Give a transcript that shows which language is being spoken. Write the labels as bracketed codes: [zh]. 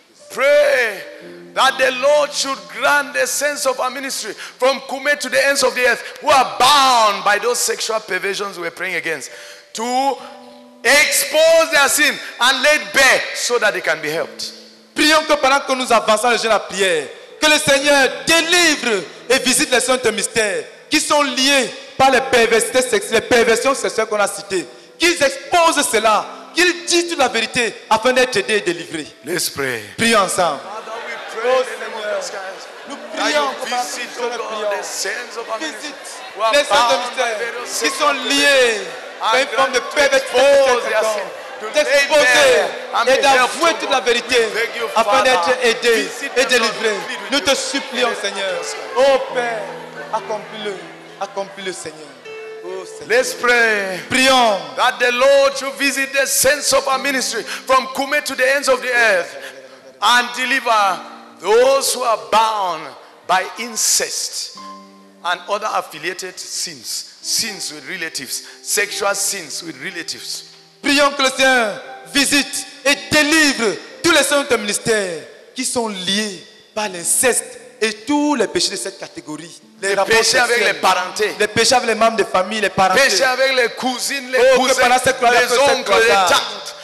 [en] Pray that the Lord should grant the sense of our ministry from Kume to the ends of the earth who are bound by those sexual perversions we are praying against to expose their sin and laid bare so that they can be helped. [fr] Prions que pendant que nous avançons le jeûne à prière, que le Seigneur délivre et visite les saints de mystère qui sont liés par les perversités sexuelles, les perversions sexuelles qu'on a citées, qu'ils exposent cela. Qu'ils disent toute la vérité afin d'être aidés et délivrés. [en] Let's pray. [fr] Prions ensemble. [en] Father, we pray [fr] Nous prions pour les saints de mystère. Visite les saints de mystère qui sont liés à une forme de perversité. D'exposer et d'avouer toute la vérité afin d'être aidés et délivrés. Nous te supplions, Seigneur. Oh Père, accomplis-le. Accomplis-le, Seigneur. [en] Let's pray. [fr] Prions. [en] That the Lord should visit the saints of our ministry from Kume to the ends of the earth and deliver those who are bound by incest and other affiliated sins, sins with relatives, sexual sins with relatives. [fr] Prions que le Seigneur visite et délivre tous les saints de ministère qui sont liés par l'inceste. Et tous les péchés de cette catégorie. Les péchés avec les parentés. Les péchés avec les membres de famille, les parentés. Péchés avec les cousines, les cousins, les oncles, les tantes.